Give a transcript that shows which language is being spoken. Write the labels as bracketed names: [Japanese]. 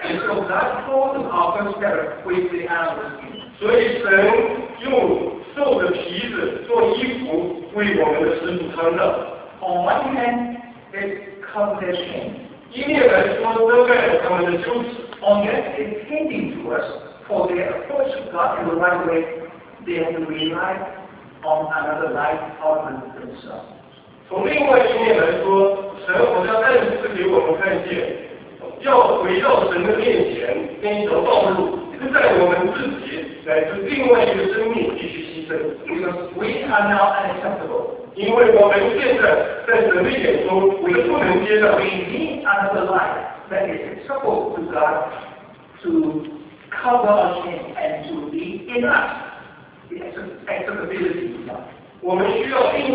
[English] So God clothed our first parents with the animal skin. [Chinese] 所以神用兽的皮子做衣服为我们的始祖穿的。 [English] On one hand, it covered their shame. [Chinese] 一面来说遮盖了他们的羞耻。 [English] On the other hand, it tending to us for their approach to God in the right way, they have to rely on another life other than themselves. [Chinese] 从另外一面来说，神好像暗示给我们看见，要回到神的面前，那一条道路，就在我们自己乃至另外一个生命必须牺牲。Because [English] we are now unacceptable. [Chinese] 因为我们现在在神的眼中，我们不能接纳。We [English] need another life that is acceptable to God to cover our sin and to be in us the acceptability to God.